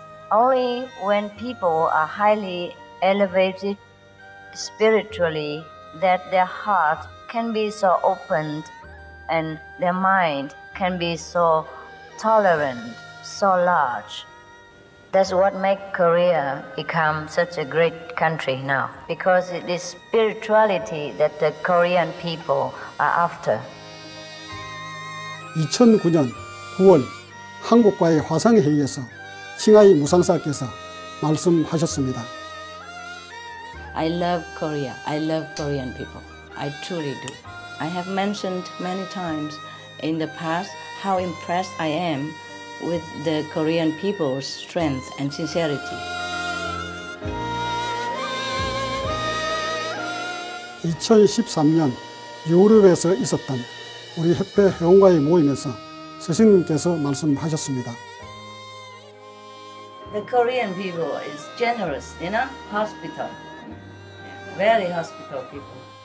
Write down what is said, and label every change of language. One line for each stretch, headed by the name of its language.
English: Only when people are highly elevated spiritually, that their heart can be so opened and their mind can be so tolerant, so large. That's what makes Korea become such a great country now, because it is spirituality that the Korean people are after.
Korean: 2009년 9월 한국과의 화상회의에서 칭하이 무상사께서 말씀하셨습니다.
English: I love Korea. I love Korean people. I truly do. I have mentioned many times in the past how impressed I am with the Korean people's strength and sincerity.
Korean: 2013년 유럽에서 있었던 우리 협회 회원과의 모임에서 스승님께서 말씀하셨습니다.
English: The Korean people is generous, you know, hospital, very hospital people.